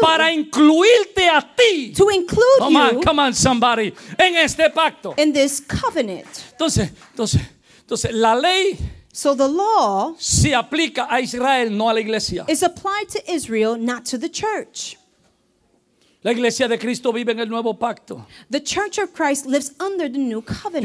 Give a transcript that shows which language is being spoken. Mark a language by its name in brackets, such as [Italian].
[Spanish] Para incluirte a ti. [English] To include come you. Come on, somebody. [Spanish] En este pacto. [English] In this covenant. [Spanish] Entonces, la ley. [English] So the law. [Spanish] Se aplica a Israel, no a la iglesia. [English] Is applied to Israel, not to the church. [Spanish] La iglesia de Cristo vive en el nuevo pacto. [English] The church of Christ lives under the new covenant.